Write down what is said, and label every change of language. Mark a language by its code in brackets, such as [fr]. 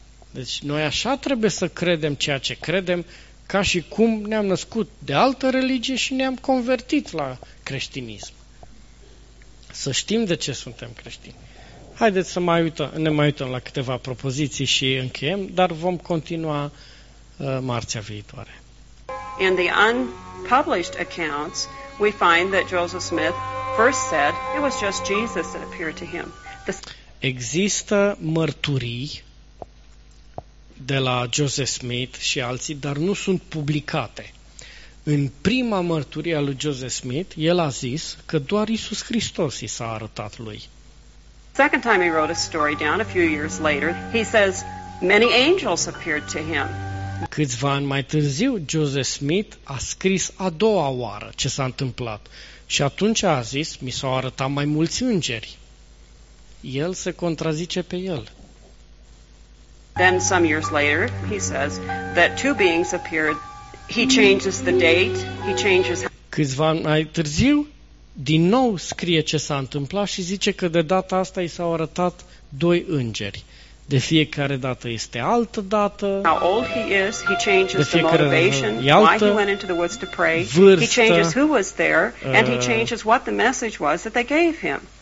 [ro] Deci noi așa trebuie să credem ceea ce credem, ca și cum ne-am născut de altă religie și ne-am convertit la creștinism. Să știm de ce suntem creștini. Haideți să ne mai uităm la câteva propoziții și încheiem, dar vom continua marțea viitoare. [en] In the unpublished accounts, we find that Joseph Smith first said it was just Jesus that appeared to him. [ro] Există mărturii de la Joseph Smith și alții, dar nu sunt publicate. În prima mărturie a lui Joseph Smith, el a zis că doar Iisus Hristos i s-a arătat lui. [en] Second time he wrote a story down a few years later, he says many angels appeared to him. [ro] Câțiva ani mai târziu, Joseph Smith a scris a doua oară ce s-a întâmplat și atunci a zis, mi s-au arătat mai mulți îngeri. El se contrazice pe el. [en] Then some years later, he says that two beings appeared. He changes the date, he changes. [ro] Câțiva mai târziu, din nou scrie ce s-a întâmplat și zice că de data asta i s-au arătat doi îngeri. De fiecare dată este altă dată. [en] How old he is, he changes the motivation, why he went into the woods to pray. [ro] Vârstă, [en] he changes who was there and he changes what the message was that they gave him.